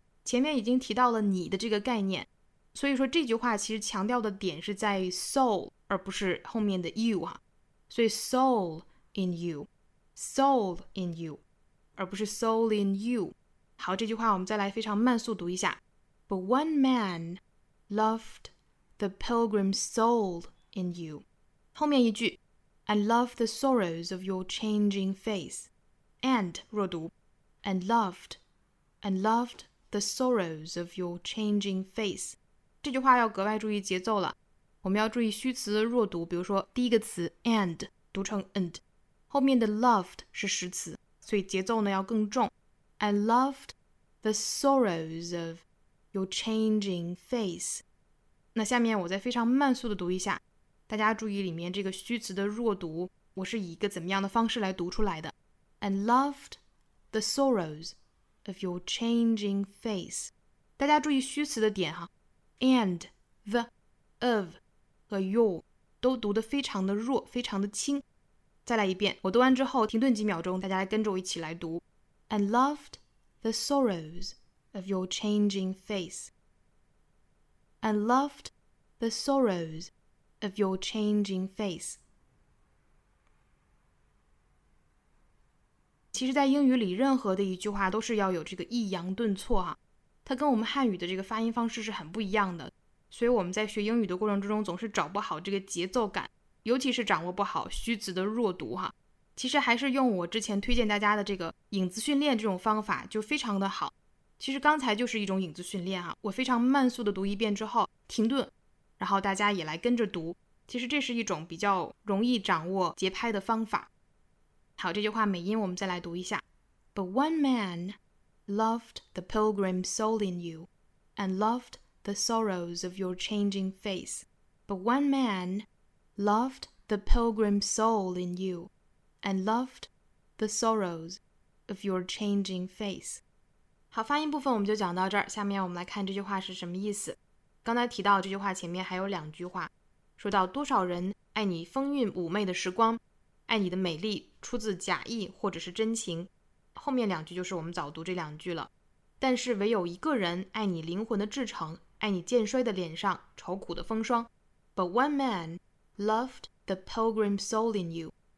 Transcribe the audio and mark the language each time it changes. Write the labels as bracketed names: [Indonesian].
[Chinese] 前面已经提到了你的这个概念，所以说这句话其实强调的点是在 soul 而不是后面的 you、所以 [English] soul in you soul in you [Chinese] 而不是 [English] soul in you。 [Chinese] 好，这句话我们再来非常慢速读一下。 [English] But one man loved the pilgrim soul in you. [Chinese] 后面一句 [English] And loved the sorrows of your changing face. And, [Chinese] 弱读 [English] And loved the sorrows of your changing face. [Chinese] 这句话要格外注意节奏了，我们要注意虚词弱读，比如说第一个词 and 读成 and， 后面的 loved 是实词，所以节奏呢要更重。 [English] And loved the sorrows ofYour changing face。 [Chinese] 那下面我再非常慢速的读一下，大家注意里面这个虚词的弱读，我是以一个怎么样的方式来读出来的。 [English] And loved the sorrows of your changing face。 [Chinese] 大家注意虚词的点哈， And, the, of 和 your 都读得非常的弱，非常的轻。再来一遍，我读完之后停顿几秒钟，大家来跟着我一起来读。 [English] And loved the sorrowsof your changing face, and loved the sorrows of your changing face. [Chinese] 其实在英语里任何的一句话都是要有这个抑扬顿挫啊，它跟我们汉语的这个发音方式是很不一样的，所以我们在学英语的过程之中总是找不好这个节奏感，尤其是掌握不好虚词的弱读啊。其实还是用我之前推荐大家的这个影子训练这种方法就非常的好。其实刚才就是一种影子训练啊，我非常慢速的读一遍之后停顿，然后大家也来跟着读，其实这是一种比较容易掌握节拍的方法。好，这句话美音我们再来读一下。 [English] But one man loved the pilgrim soul in you and loved the sorrows of your changing face. But one man loved the pilgrim soul in you and loved the sorrows of your changing face. [Chinese] 好，发音部分我们就讲到这儿，下面我们来看这句话是什么意思。刚才提到这句话前面还有两句话，说到多少人爱你风韵妩媚的时光，爱你的美丽出自假意或者是真情，后面两句就是我们早读这两句了。但是唯有一个人爱你灵魂的至诚，爱你渐衰的脸上愁苦的风霜。 [English] But one man loved the pilgrim soul in you.